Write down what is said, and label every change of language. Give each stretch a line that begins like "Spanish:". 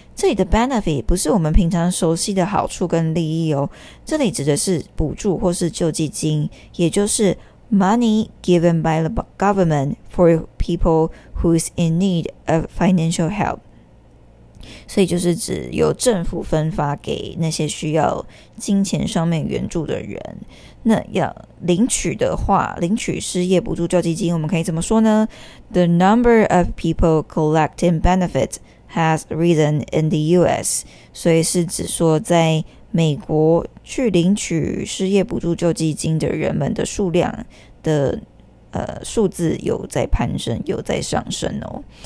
Chinese: 这里的 Benefit 不是我们平常熟悉的好处跟利益哦，这里指的是补助或是救济金，也就是
English: Money given by the government for people who is in need of financial help.
Chinese: 所以就是指由政府分发给那些需要金钱上面援助的人。那要领取的话，领取失业补助救济金，我们可以怎么说呢？
English: The number of people collecting benefits has risen in the U.S.
Chinese: 所以是指说在美国去领取失业补助救济金的人们的数量的数字有在攀升，有在上升哦。